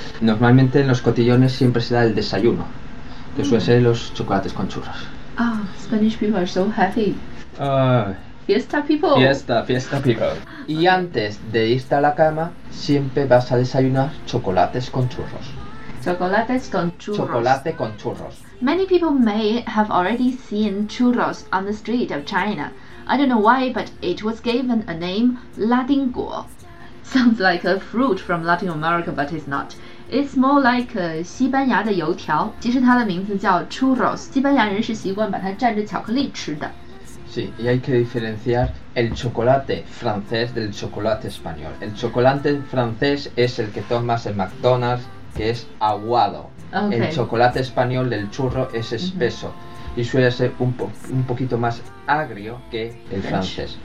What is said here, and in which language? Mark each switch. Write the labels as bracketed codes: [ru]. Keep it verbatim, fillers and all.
[es] Normalmente en los cotillones siempre se da el desayuno, que suele ser los chocolates con churros. [en] Ah, Spanish people are so happy. Ah, Fiesta people. fiesta, fiesta people. [es] Y antes de irte a la cama siempre vas a desayunar chocolates con churros. Chocolates con churros. Chocolate con churros. [en] Many people may have already seen churros on the street of China. I don't know why, but it was given a name, Latin guo. Sounds like a fruit from Latin America, but it's not. It's more like uh, [zh] 西班牙的油条，其实它的名字叫 churros。西班牙人是习惯把它蘸着巧克力吃的。 [es] Sí, y hay que diferenciar el chocolate francés del chocolate español. El chocolate francés es el que tomas en McDonald's, que es aguado. [en] Ok. [es] El chocolate español del churro es espeso y suele ser un, po- un poquito más agrio que el francés.